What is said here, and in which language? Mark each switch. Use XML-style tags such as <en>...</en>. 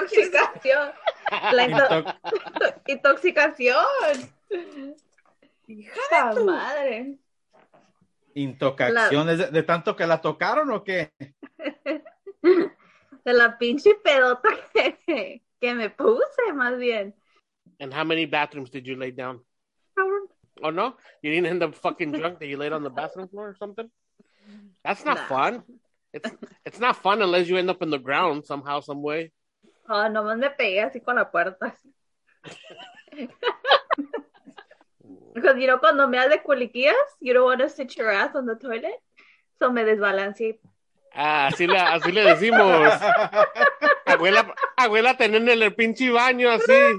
<es>Intoxicación. Intoxicación. Hija de tu madre. ¿Intoxicación? ¿De tanto que la tocaron o qué? De la pinche pedota que me puse, más bien.</es> <en>And how many bathrooms did you lay down? Oh, no? You didn't end up fucking drunk that you laid on the bathroom floor or something? That's not fun. It's not fun unless you end up in the ground somehow, some way.</en> <es>Oh, nomás me pegué así con la puerta.</es> <en>Because, you know,</en> <es>cuando me hace culiquillas,</es> <en>you don't want to sit your ass on the toilet.</en> <es>So me desbalance. Ah, así le decimos. Abuela tenía en el pinche baño así.</es>